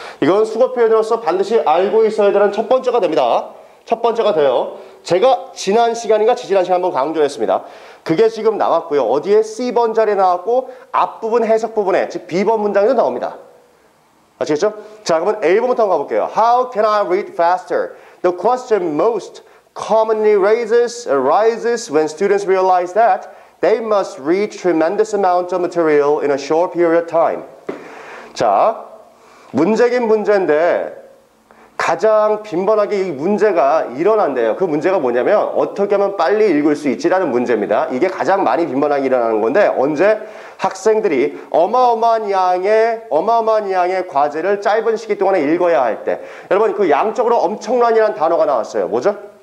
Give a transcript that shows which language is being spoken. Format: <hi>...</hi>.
<ko>이건 수거 표현으로서 반드시 알고 있어야 되는 첫 번째가 됩니다. 첫 번째가 돼요. 제가 지난 시간인가 지지난 시간 한번 강조했습니다. 그게 지금 나왔고요. 어디에 C번 자리에 나왔고 앞부분 해석 부분에 즉 B번 문장에도 나옵니다. 아시겠죠? 자, 그러면 A번부터 한번 가볼게요.</ko> <en>How can I read faster? The question most commonly arises when students realize that they must read tremendous amount of material in a short period of time.</en> <ko>자, 문제긴 문제인데 가, 가장 빈번하게 이 문제가 일어난대요. 그 문제가 뭐냐면 어떻게 하면 빨리 읽을 수 있지라는 문제입니다. 이게 가장 많이 빈번하게 일어나는 건데 언제? 학생들이 어마어마한 양의 과제를 짧은 시기 동안에 읽어야 할 때. 여러분 그 양적으로 엄청난이라는 단어가 나왔어요. 뭐죠?</ko>